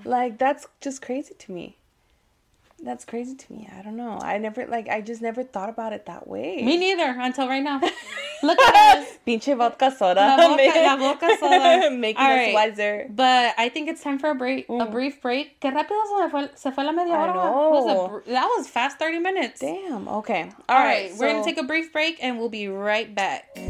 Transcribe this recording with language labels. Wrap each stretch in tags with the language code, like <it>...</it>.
<en>Like, that's just crazy to me. That's crazy to me. I don't know. I never, like, I just never thought about it that way. Me neither, until right now. Look at us.</en> <es>Pinche vodka soda. La vodka soda.</es> <en>Making all us right. wiser. But I think it's time for a break. Mm. A brief break.</en> <es>Que rápido se fue la media hora.</es> <en>That was fast 30 minutes. Damn. Okay. All right. So... we're going to take a brief break and we'll be right back.</en>